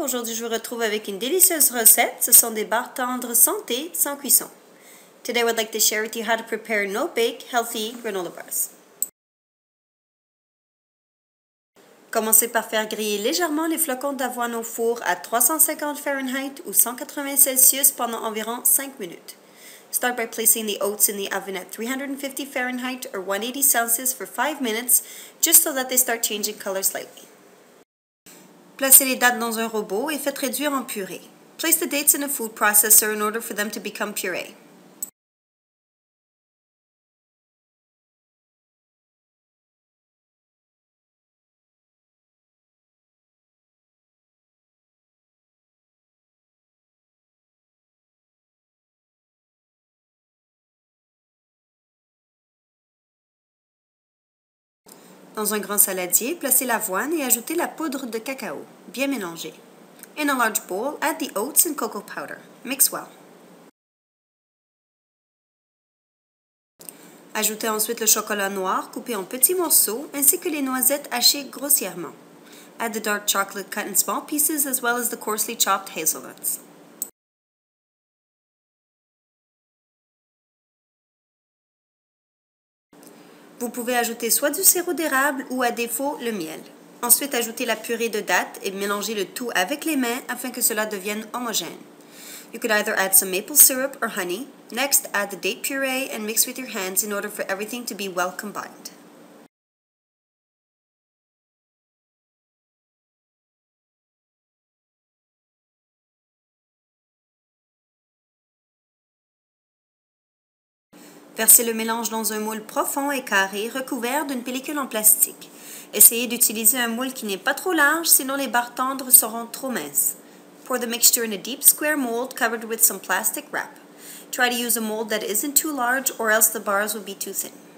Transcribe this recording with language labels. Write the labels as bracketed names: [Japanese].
[French] Aujourd'hui, je vous retrouve avec une délicieuse recette. Ce sont des barres tendres sans thé, sans cuisson. [English] Today, I would like to share with you how to prepare no-bake, healthy granola bars. [French] Commencez par faire griller légèrement les flocons d'avoine au four à 350 Fahrenheit ou 180 Celsius pendant environ 5 minutes. [English] Start by placing the oats in the oven at 350 Fahrenheit or 180 Celsius for 5 minutes, just so that they start changing color slightly. [French] Placez les dattes dans un robot et faites réduire en purée. [English] Place the dates in a food processor in order for them to become puree. [French] Dans un grand saladier, placez l'avoine et ajoutez la poudre de cacao. Bien mélangée. [English] In a large bowl, add the oats and cocoa powder. Mix well. [French] Ajoutez ensuite le chocolat noir coupé en petits morceaux ainsi que les noisettes hachées grossièrement. [English] Add the dark chocolate cut in small pieces as well as the coarsely chopped hazelnuts. [French] Vous pouvez ajouter soit du sirop d'érable ou à défaut le miel. Ensuite, ajoutez la purée de dattes et mélangez le tout avec les mains afin que cela devienne homogène. [English] You could either add some maple syrup or honey. Next, add the date puree and mix with your hands in order for everything to be well combined. [French] Versez le mélange dans un moule profond et carré, recouvert d'une pellicule en plastique. Essayez d'utiliser un moule qui n'est pas trop large, sinon les barres tendres seront trop minces. [English] Pour the mixture in a deep square mold covered with some plastic wrap. Try to use a mold that isn't too large or else the bars will be too thin.